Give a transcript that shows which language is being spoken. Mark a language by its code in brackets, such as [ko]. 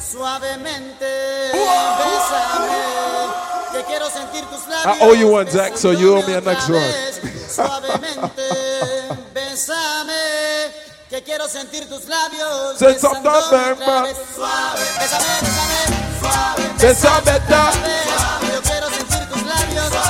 [es] suavemente, bésame, que quiero sentir tus labios. [en] I owe you one, Zach, so you owe me a next one. [es] Suavemente, bésame, que quiero sentir tus labios. Bésame, bésame, bésame, bésame, bésame, bésame, bésame, bésame, yo quiero sentir tus labios.